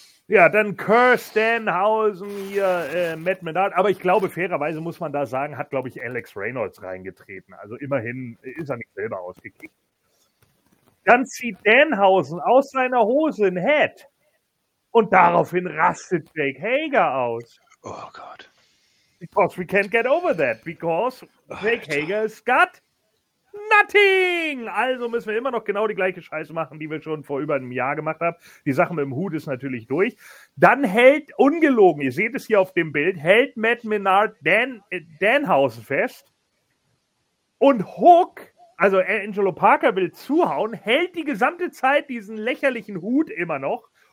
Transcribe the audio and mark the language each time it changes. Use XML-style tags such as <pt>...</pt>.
<de>Ja, dann Kirstenhausen hier, Matt Menard. Aber ich glaube, fairerweise muss man da sagen, hat, glaube ich, Alex Reynolds reingetreten. Also immerhin ist er nicht selber ausgekickt. Dann zieht Danhausen aus seiner Hose ein Head. Und daraufhin rastet Jake Hager aus. Oh Gott.</de> <en>Because we can't get over that. Because Jake Hager is got nothing.</en> <de>Also müssen wir immer noch genau die gleiche Scheiße machen, die wir schon vor über einem Jahr gemacht haben. Die Sache mit dem Hut ist natürlich durch. Dann hält, ungelogen, ihr seht es hier auf dem Bild, hält Matt Menard Danhausen fest. Und Hook, also Angelo Parker will zuhauen, hält die gesamte Zeit diesen lächerlichen Hut immer noch.</de>